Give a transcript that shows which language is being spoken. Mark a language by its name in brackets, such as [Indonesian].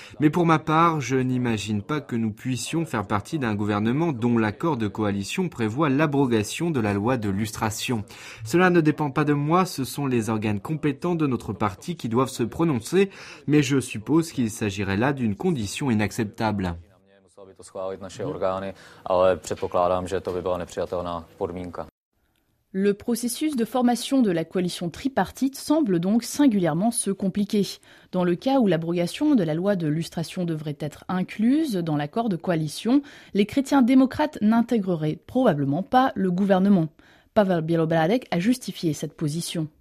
[French] Mais pour ma part, je n'imagine pas que nous puissions faire partie d'un gouvernement dont l'accord de coalition prévoit l'abrogation de la loi de lustration. Cela ne dépend pas de moi, ce sont les organes compétents de notre parti qui doivent se prononcer, mais je suppose qu'il s'agirait là d'une condition inacceptable. [Czech] Schválit naše orgány, ale předpokládám, že to by byla nepřijatelná podmínka. [French] Le processus de formation de la coalition tripartite semble donc singulièrement se compliquer. Dans le cas où l'abrogation de la loi de lustration devrait être incluse dans l'accord de coalition, les chrétiens démocrates n'intégreraient probablement pas le gouvernement. Pavel Bělobrádek a justifié cette position.